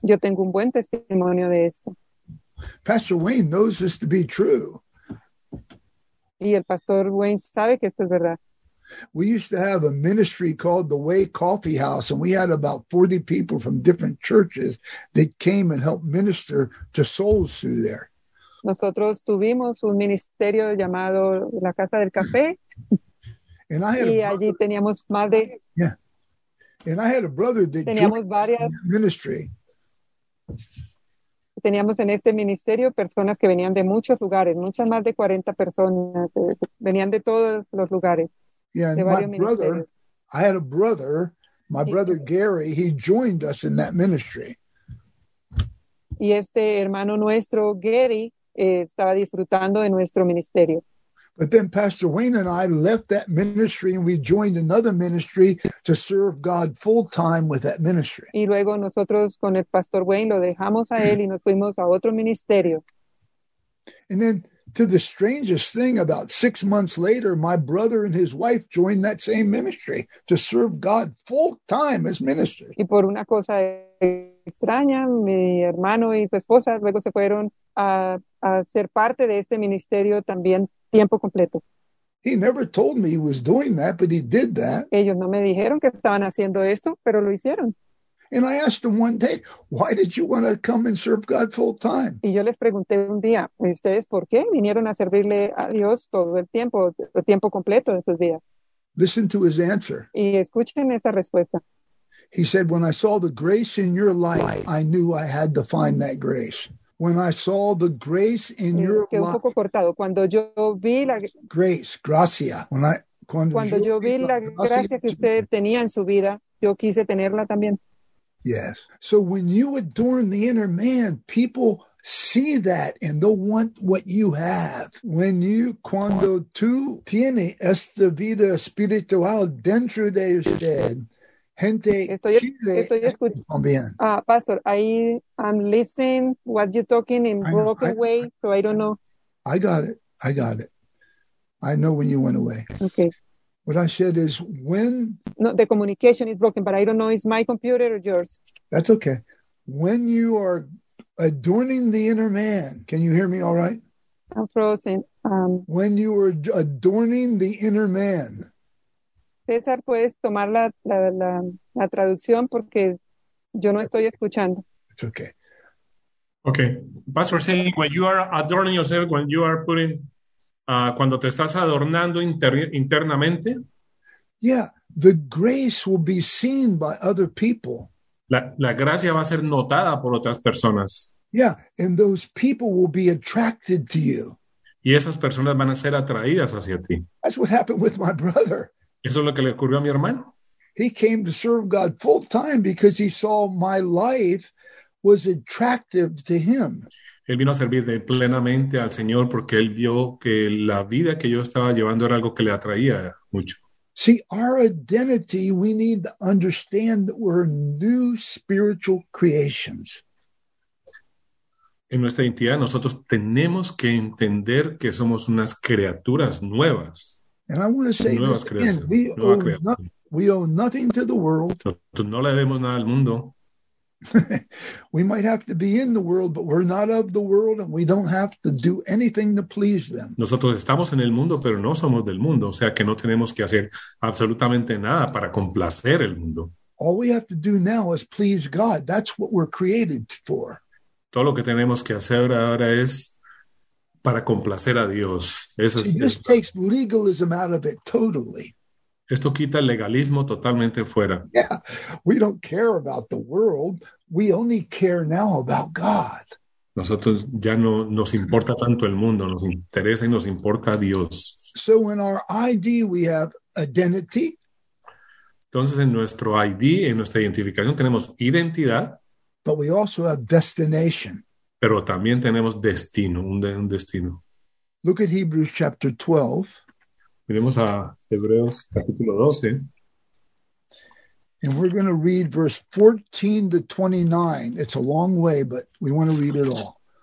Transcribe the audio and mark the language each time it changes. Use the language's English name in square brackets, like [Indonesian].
[Spanish] Yo tengo un buen testimonio de esto. [English] Pastor Wayne knows this to be true. [Spanish] Y el Pastor Wayne sabe que esto es verdad. [English] We used to have a ministry called the Way Coffee House, and we had about 40 people from different churches that came and helped minister to souls through there. [Spanish] Nosotros tuvimos un ministerio llamado La Casa del Café. [English] And I had [Spanish] y allí teníamos más de... [English] Yeah. And I had a brother that [Spanish] teníamos varias, [English] ministry. [Spanish] Teníamos en este ministerio personas que venían de muchos lugares, muchas más de 40 personas, venían de todos los lugares. [English] Yeah, and my brother, I had a brother, my brother Gary, he joined us in that ministry. [Spanish] Y este hermano nuestro, Gary, estaba disfrutando de nuestro ministerio. [English] But then Pastor Wayne and I left that ministry and we joined another ministry to serve God full time with that ministry. [Spanish] Y luego nosotros con el Pastor Wayne lo dejamos a él y nos fuimos a otro ministerio. [English] And then to the strangest thing, about 6 months later, my brother and his wife joined that same ministry to serve God full time as ministers. [Spanish] Y por una cosa extraña, mi hermano y su esposa luego se fueron a ser parte de este ministerio también tiempo completo. [English] He never told me he was doing that, but he did that. [Spanish] Ellos no me dijeron que estaban haciendo esto, pero lo hicieron. [English] And I asked him one day, why did you want to come and serve God full time? [Spanish] Y yo les pregunté un día, ¿ustedes por qué vinieron a servirle a Dios todo el tiempo completo de esos días? [English] Listen to his answer. [Spanish] Y escuchen esta respuesta. [English] He said, when I saw the grace in your life, I knew I had to find that grace. When I saw the grace in your life. [Spanish] Quedó un poco cortado. Cuando yo vi la grace, gracia. Cuando yo vi la gracia que usted tenía en su vida, yo quise tenerla también. [English] Yes. So when you adorn the inner man, people see that and they'll want what you have. When you, [Spanish] cuando tú tienes esta vida espiritual dentro de usted, gente estoy Pastor, [English] I'm listening what you're talking in broken way, so I don't know. I got it. I know when you went away. Okay. What I said is when... No, the communication is broken, but I don't know, is my computer or yours? That's okay. When you are adorning the inner man, can you hear me all right? I'm frozen. When you are adorning the inner man... [Spanish] César, puedes tomar la traducción porque yo no estoy escuchando. [English] It's okay. Okay. Pastor, saying when you are adorning yourself, when you are putting... [Spanish] cuando te estás adornando internamente. [English] Yeah, the grace will be seen by other people. [Spanish] La gracia va a ser notada por otras personas. [English] Yeah, and those people will be attracted to you. [Spanish] Y esas personas van a ser atraídas hacia ti. [English] That's what happened with my brother. [Spanish] Eso es lo que le ocurrió a mi hermano. [English] He came to serve God full time because he saw my life was attractive to him. [Spanish] Él vino a servir de plenamente al Señor porque él vio que la vida que yo estaba llevando era algo que le atraía mucho. [English] See, our identity, we need to understand that we're new spiritual creations. [Spanish] En nuestra identidad, nosotros tenemos que entender que somos unas criaturas nuevas. [English] And I want to say [Spanish] nuevas creaciones, nueva creación. [English] We owe nothing to the world. [Spanish] Nosotros no le debemos nada al mundo. [English] We might have to be in the world, but we're not of the world, and we don't have to do anything to please them. [Spanish] Nosotros estamos en el mundo, pero no somos del mundo, o sea que no tenemos que hacer absolutamente nada para complacer el mundo. [English] All we have to do now is please God. That's what we're created for. [Spanish] Todo lo que tenemos que hacer ahora es para complacer a Dios. Eso es. [English] This takes legalism out of it totally. [Spanish] Esto quita el legalismo totalmente fuera. [English] Yeah, we don't care about the world. We only care now about God. [Spanish] Nosotros ya no nos importa tanto el mundo. Nos interesa y nos importa Dios. [English] So in our ID, we have identity. [Spanish] Entonces en nuestro ID, en nuestra identificación, tenemos identidad. [English] But we also have destination. [Spanish] Pero también tenemos destino, un destino. [English] Look at Hebrews chapter 12. [Spanish] Miremos a Hebreos capítulo 12. [English] And we're going to read verse 14 to 29. It's a long way, but we want to read it all.